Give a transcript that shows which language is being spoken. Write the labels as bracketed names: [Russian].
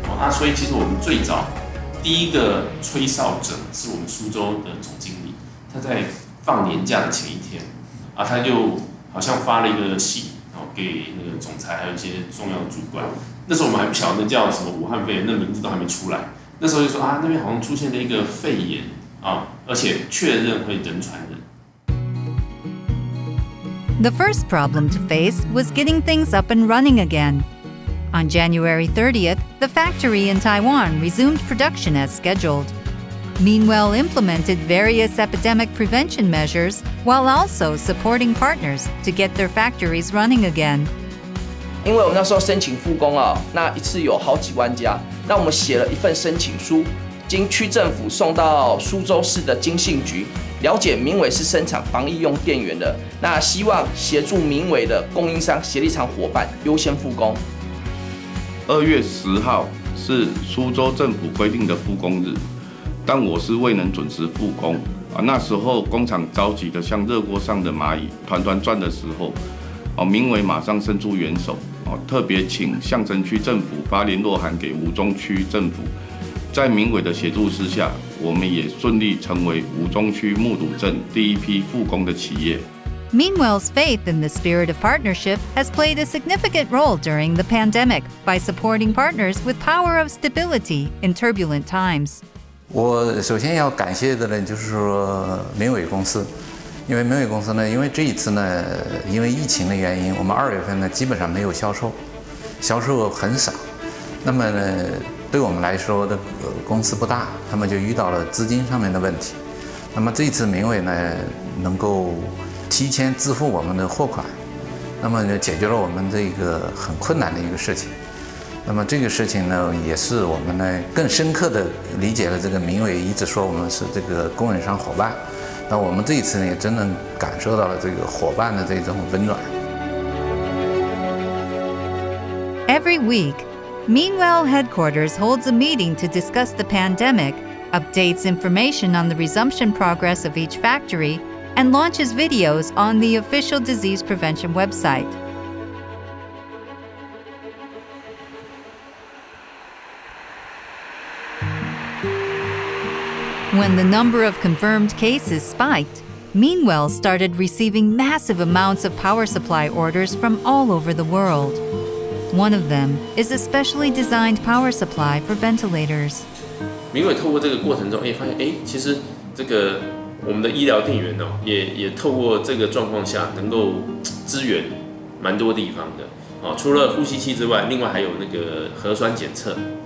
[Chinese] 所以其实我们最早第一个吹哨者是我们苏州的总经理，他在放年假的前一天，他就好像发了一个信给那个总裁还有一些重要主管，那时候我们还不晓得叫什么武汉肺炎，那名字都还没出来。那时候就说啊，那边好像出现了一个肺炎啊，而且确认会人传人。 [English] The first problem to face was getting things up and running again. On January 30th, the factory in Taiwan resumed production as scheduled. Meanwell implemented various epidemic prevention measures while also supporting partners to get their factories running again. [Chinese] 因为我们那时候申请复工啊，那一次有好几万家，那我们写了一份申请书，经区政府送到苏州市的经信局，了解明伟是生产防疫用电源的，那希望协助明伟的供应商、协力厂伙伴优先复工。 2月10号是苏州政府规定的复工日，但我是未能准时复工啊。那时候工厂着急的像热锅上的蚂蚁团团转的时候，明伟马上伸出援手，特别请象征区政府发联络函给吴中区政府。在明伟的协助之下，我们也顺利成为吴中区木渎镇第一批复工的企业。 [English] Meanwell's faith in the spirit of partnership has played a significant role during the pandemic by supporting partners with power of stability in turbulent times. [Chinese] 我首先要感谢的呢，就是说明伟公司，因为明伟公司呢，因为这一次呢，因为疫情的原因，我们2月份呢基本上没有销售，销售很少，那么呢，对我们来说的公司不大，他们就遇到了资金上面的问题，那么这一次明伟呢能够提前支付我们的货款，那么就解决了我们这个很困难的一个事情。那么这个事情呢，也是我们呢更深刻的理解了这个明伟一直说我们是这个供应商伙伴，那我们这一次呢也真的感受到了这个伙伴的这种温暖。 [English] Every week, Meanwell headquarters holds a meeting to discuss the pandemic, updates information on the resumption progress of each factory, and launches videos on the official disease prevention website. When the number of confirmed cases spiked, Meanwell started receiving massive amounts of power supply orders from all over the world. One of them is a specially designed power supply for ventilators. [Chinese] Meanwell 透过这个过程中，发现，其实这个我们的医疗电源也透过这个状况下能够支援蛮多地方的。除了呼吸器之外，另外还有那个核酸检测。